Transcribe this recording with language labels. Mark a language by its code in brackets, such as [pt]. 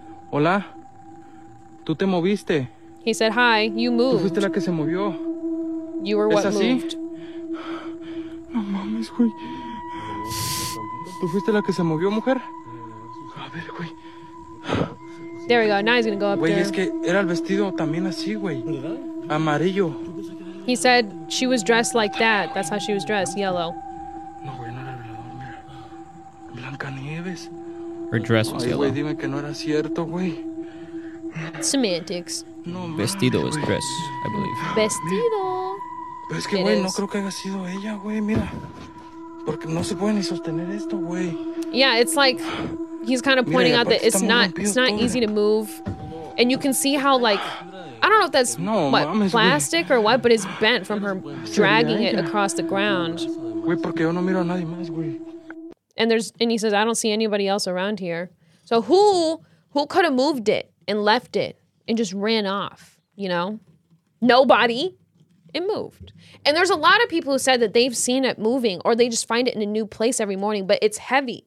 [es] Hola, tú te moviste. [en] He said, hi, you moved. [es] Tú fuiste la que se movió. [en] You were what moved. [es] No mames, güey. Tú fuiste la que se movió, mujer. A ver, güey. [en] There we go, now he's going to go up [es] güey, [en] there. [es] Es que era el vestido también así, güey. Amarillo. [en] He said she was dressed like that. That's how she was dressed, yellow. [es] No, güey, no era el velador, mira. Blanca Nieves. [en] Her dress was yellow. [es] Güey, dime que no era cierto, güey. [en] Semantics. No, vestido is dress, I believe. [es] Vestido. Pero es que, güey, no creo que haya sido ella, güey, mira. Porque no se puede ni sostener esto, güey. [en] Yeah, it's like he's kind of pointing out that it's not easy to move. And you can see how, like, I don't know if that's plastic or what, but it's bent from her dragging it across the ground. [es] Güey, porque yo no miro a nadie más, güey. [en] And he says, I don't see anybody else around here. So who could have moved it and left it and just ran off, you know? Nobody. It moved. And there's a lot of people who said that they've seen it moving or they just find it in a new place every morning, but it's heavy.